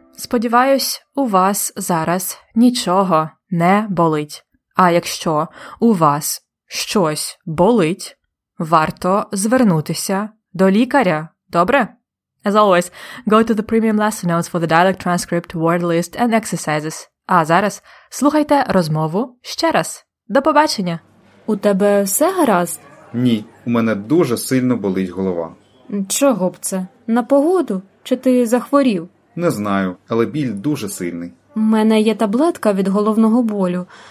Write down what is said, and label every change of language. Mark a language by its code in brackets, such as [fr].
[uk] Сподіваюсь, у вас зараз нічого не болить. А якщо у вас щось болить, варто звернутися до лікаря, добре? [en] As always, go to the premium lesson notes for the dialect transcript, word list and exercises. [uk] А зараз слухайте розмову ще раз. До побачення! У тебе все гаразд? Ні, у мене дуже сильно болить голова. Чого б це? На погоду? Чи ти захворів? Не знаю, але біль дуже сильний. У мене є таблетка від головного болю.